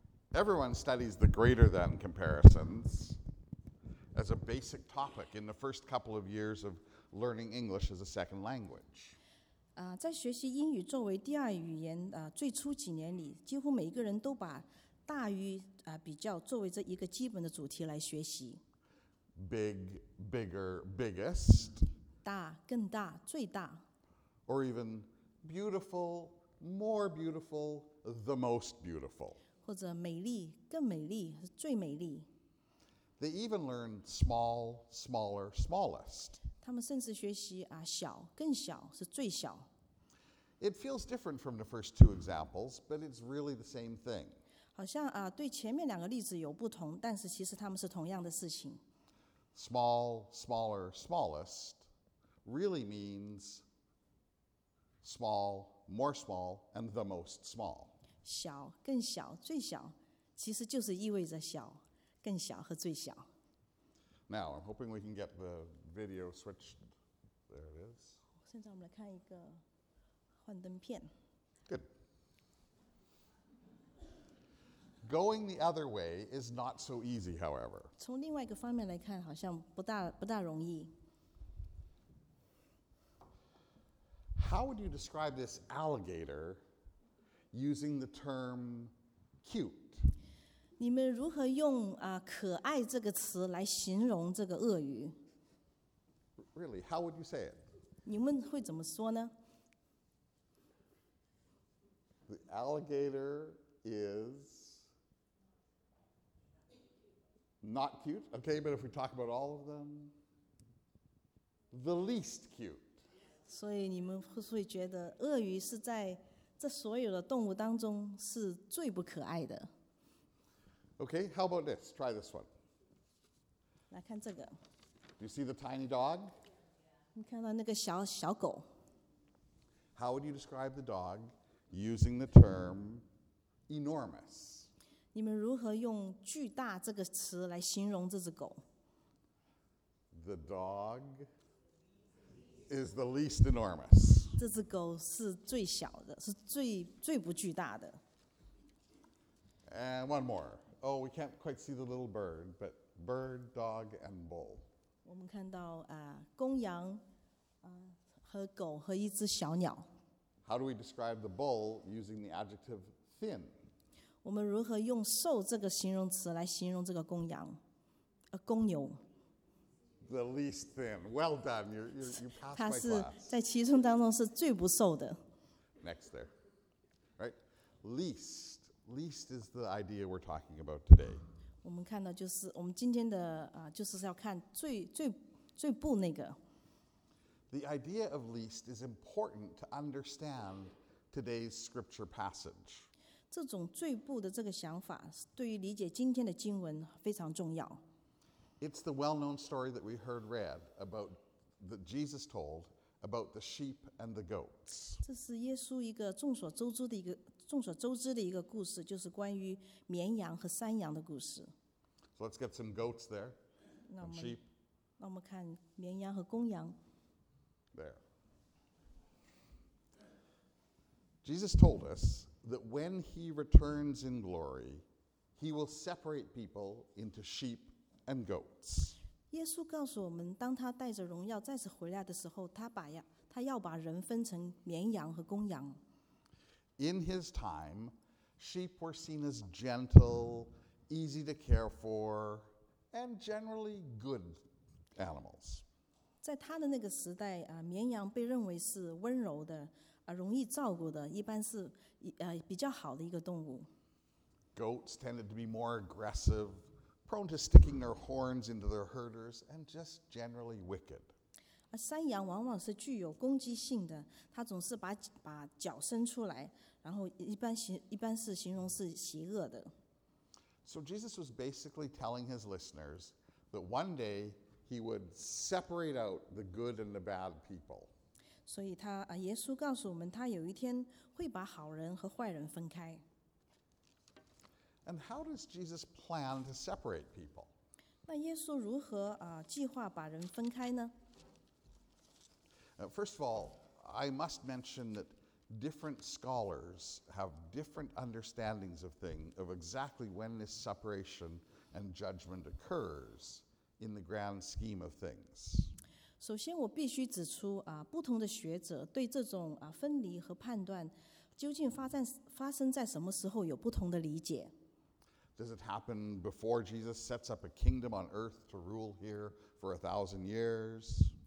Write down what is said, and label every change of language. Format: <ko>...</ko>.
<en>Everyone studies the greater than comparisons as a basic topic in the first couple of years of learning English as a second language.</en> <zh>在学习英语作为第二语言最初几年里，几乎每一个人都把大于比较作为这一个基本的主题来学习。</zh> <en>Big, bigger, biggest.</en> <zh>大，更大，最大。</zh> <en>Or even beautiful, more beautiful, the most beautiful.</en> <zh>或者美丽，更美丽，最美丽。</zh> <en>They even learn small, smaller, smallest.</en> <zh>他们甚至学习小，更小，是最小。</zh> <en>It feels different from the first two examples, but it's really the same thing.</en> <zh>好像对前面两个例子有不同，但是其实他们是同样的事情。</zh> <en>Small, smaller, smallest really means small, more small, and the most small.</en> <zh>小，更小，最小，其实就是意味着小，更小和最小。</zh> <en>Now, I'm hoping we can get the video switched. There it is.</en> <zh>现在我们来看一个幻灯片。</zh> <en>Good. Going the other way is not so easy, however.</en> <zh>从另外一个方面来看，好像不大容易。</zh> <en>How would you describe this alligator? Using the term cute.</en> <zh>你们如何用可爱这个词来形容这个鳄鱼</zh> <en>Really, how would you say it?</en> <zh>你们会怎么说呢</zh> <en>The alligator is not cute. Okay, but if we talk about all of them, the least cute.</en> <zh>所以你们会觉得鳄鱼是在这所有的动物当中是最不可爱的。</zh> <en>Okay, how about this? Try this one.</en> <zh>来看这个。</zh> <en>Do you see the tiny dog?</en> <zh>你看到那个小小狗。</zh> <en>How would you describe the dog using the term enormous?</en> <zh>你们如何用巨大这个词来形容这只狗？</zh> <en>The dog is the least enormous.</en> <zh>这只狗是最小的，是最不巨大的。</zh> <en>And one more. Oh, we can't quite see the little bird, but bird, dog, and bull.</en> <zh>我们看到公羊，和狗和一只小鸟。</zh> <en>How do we describe the bull using the adjective thin?</en> <zh>我们如何用瘦这个形容词来形容这个公羊，公牛？</zh> <en>The least thin. Well done. You passed my class.</en> <zh>它是在其中当中是最不瘦的。</zh> <en>Next there, right? Least. Least is the idea we're talking about today.</en> <zh>我们看到就是我们今天的就是要看最不那个。</zh> <en>The idea of least is important to understand today's scripture passage.</en> <zh>这种最不的这个想法，对于理解今天的经文非常重要。</zh> <en>It's the well-known story that we heard read about that Jesus told about the sheep and the goats.</en> <zh>这是耶稣一个众所周知的一个故事，就是关于绵羊和山羊的故事。</zh> <en>So let's get some goats there. And sheep.</en> <zh>那我们看绵羊和公羊。</zh> <en>There. Jesus told us that when he returns in glory, he will separate people into sheep. And goats.</en> <zh>耶稣告诉我们，当他带着荣耀再次回来的时候，他要把人分成绵羊和公羊。</zh> <en>In his time, sheep were seen as gentle, easy to care for, and generally good animals.</en> <zh>在他的那个时代啊，绵羊被认为是温柔的，容易照顾的，一般是比较好的一个动物。</zh> <en>Goats tended to be more aggressive. Prone to sticking their horns into their herders and just generally wicked.</en> <zh>山羊往往是具有攻击性的，它总是把脚伸出来，然后一般是形容是邪恶的。</zh> <en>So Jesus was basically telling his listeners that one day He would separate out the good and the bad people.</en> <zh>所以他耶稣告诉我们，他有一天会把好人和坏人分开。</zh> <en>And how does Jesus plan to separate people?</en> <zh>那耶稣如何计划把人分开呢？</zh> <en>First of all, I must mention that different scholars have different understandings of things of exactly when this separation and judgment occurs in the grand scheme of things.</en> <zh>首先我必须指出不同的学者对这种分离和判断究竟发生在什么时候有不同的理解。</zh> <en>Does it happen before Jesus sets up a kingdom on earth to rule here for 1,000 years?</en>